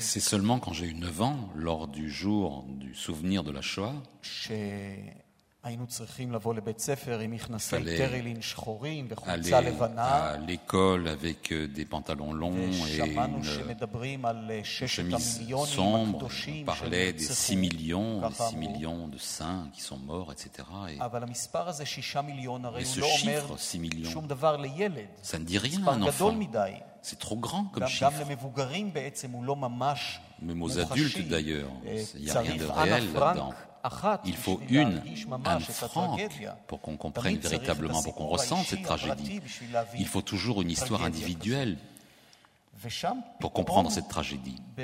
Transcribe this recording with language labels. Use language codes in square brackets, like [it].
[fr] c'est seulement quand j'ai eu 9 ans, lors du jour du souvenir de la Shoah, [he] היינו צריכים לבוא לבית ספר עם מכנסי טרילין שחורים וחולצה [fr] aller [he] לבנה. [fr] À l'école avec des pantalons longs et [he] שמדברים על 6 מיליונים הקדושים, [fr] parlait des 6 millions, les 6 millions de saints qui sont morts, etc. [he] אבל המספר הזה 6 מיליון הרי הוא לא אומר שום דבר לילד. [fr] Ça ne dit rien à un enfant. C'est trop grand comme chiffre. [he] גם למבוגרים בעצם הוא לא ממש מוחשי. [fr] Même aux adultes d'ailleurs, il n'y a rien de réel là-dedans. Il faut une Franck pour qu'on comprenne véritablement, pour qu'on ressente cette tragédie. Il faut toujours une histoire individuelle pour comprendre cette tragédie.